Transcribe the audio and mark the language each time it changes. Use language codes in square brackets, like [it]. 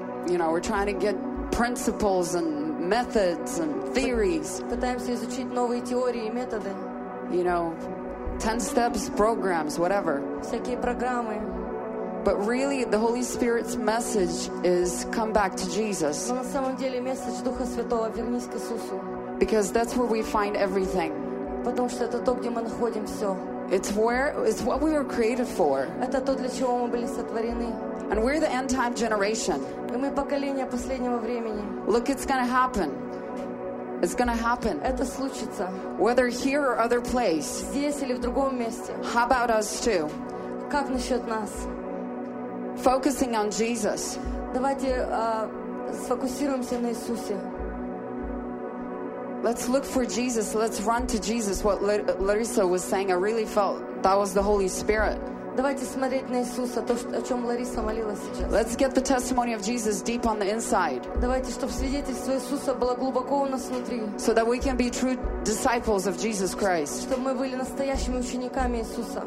[en] You know, we're trying to get principles and methods and theories. [ru] Пытаемся изучить новые теории и методы. [en] You know, 10 steps programs, whatever. [ru] Всякие программы. [en] But really, the Holy Spirit's message is come back to Jesus. [ru] Но на самом деле месседж Духа Святого вернись к Иисусу. [en] Because that's where we find everything. [ru] Потому что это то, где мы находим все. [en] It's what we were created for. [ru] Это то, для чего мы были сотворены. [en] And we're the end time generation. [ru] И мы поколение последнего времени. [en] Look, it's gonna happen. It's gonna happen. [ru] Это случится. [en] Whether here or other place. [ru] Здесь или в другом месте. [en] How about us too? [ru] Как насчет нас? [en] Focusing on Jesus. [ru] Давайте сфокусируемся на Иисусе. [en] Let's look for Jesus. Let's run to Jesus. What Larissa was saying, I really felt that was the Holy Spirit. [ru] Давайте смотреть на Иисуса, то, о чем Лариса молилась сейчас. [en] Let's get the testimony of Jesus deep on the inside. [ru] Давайте, чтобы свидетельство Иисуса было глубоко у нас внутри. [en] So that we can be true disciples of Jesus Christ. [ru] Чтобы мы были настоящими учениками Иисуса.